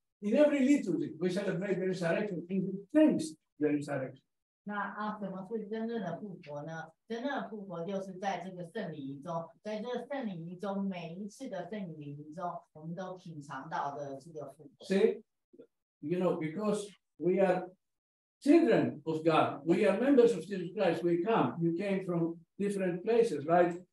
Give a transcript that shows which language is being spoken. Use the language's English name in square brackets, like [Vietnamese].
[English] In every liturgy, we celebrate the resurrection and we taste the resurrection. [Chinese] 那什么是真正的复活呢？真正的复活就是在这个圣礼仪中，在这个圣礼仪中，每一次的圣礼仪中，我们都品尝到的这个复活。 [English] See, you know, because we are children of God, we are members of Jesus Christ, we come, you came from different places, right?